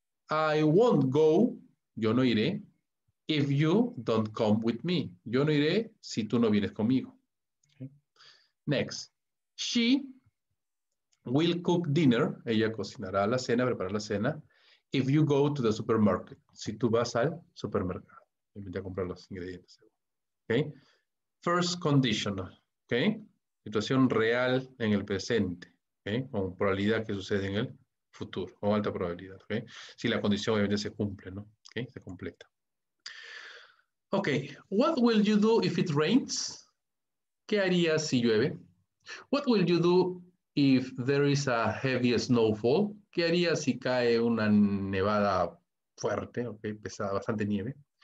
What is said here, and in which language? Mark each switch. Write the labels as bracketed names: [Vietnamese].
[English] I won't go, [Spanish] yo no iré, [English] if you don't come with me. [Spanish] Yo no iré si tú no vienes conmigo. ¿Okay? Next. [English] She will cook dinner, [Spanish] ella cocinará la cena, preparará la cena, [English] if you go to the supermarket, [Spanish] si tú vas al supermercado, en vez de comprar los ingredientes. Okay? First conditional, okay? Situación real en el presente, okay? Con probabilidad que suceda en el futuro, con alta probabilidad. Okay? Si la condición obviamente se cumple, ¿no? Okay? Se completa. [English] Okay, what will you do if it rains? [Spanish] ¿Qué harías si llueve? [English] What will you do if there is a heavy snowfall, [Spanish] ¿qué haría si cae una nevada fuerte, okay, pesada, bastante nieve?